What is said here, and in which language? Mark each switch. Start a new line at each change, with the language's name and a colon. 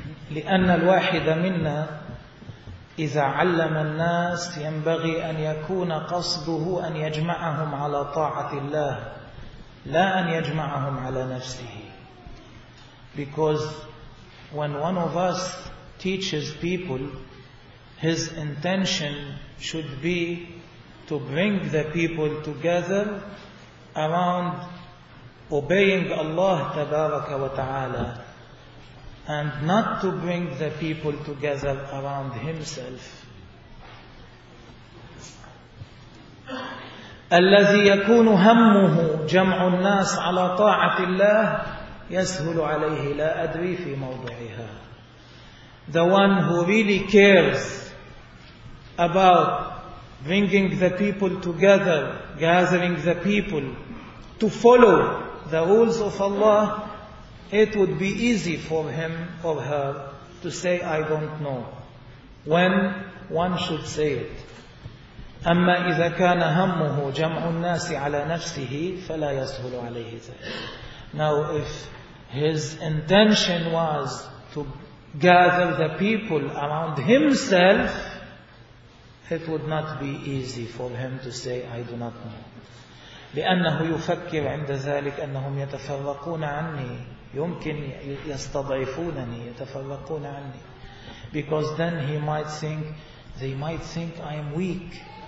Arabic: لأن الواحد منا إذا علم الناس ينبغي أن يكون قصده أن يجمعهم على طاعة الله لا أن يجمعهم على نفسه.
English: Because when one of us teaches people, his intention should be to bring the people together around obeying Allah
Arabic: تبارك وتعالى,
English: and not to bring the people together around himself.
Arabic: الذي يكون همه جمع الناس على طاعة الله يسهل عليه لا أدري في موضعها.
English: The one who really cares about bringing the people together, gathering the people to follow the rules of Allah, it would be easy for him or her to say, I don't know, when one should say it.
Arabic: أما إذا كان همه جمع الناس على نفسه فلا يسهل عليه ذلك.
English: Now if his intention was to gather the people around himself, it would not be easy for him to say, I do not know.
Arabic: لأنه يفكر عند ذلك أنهم يتفرقون عني, يمكن يستضعفونني, يتفرقون عني.
English: Because then he might think, they might think I am weak.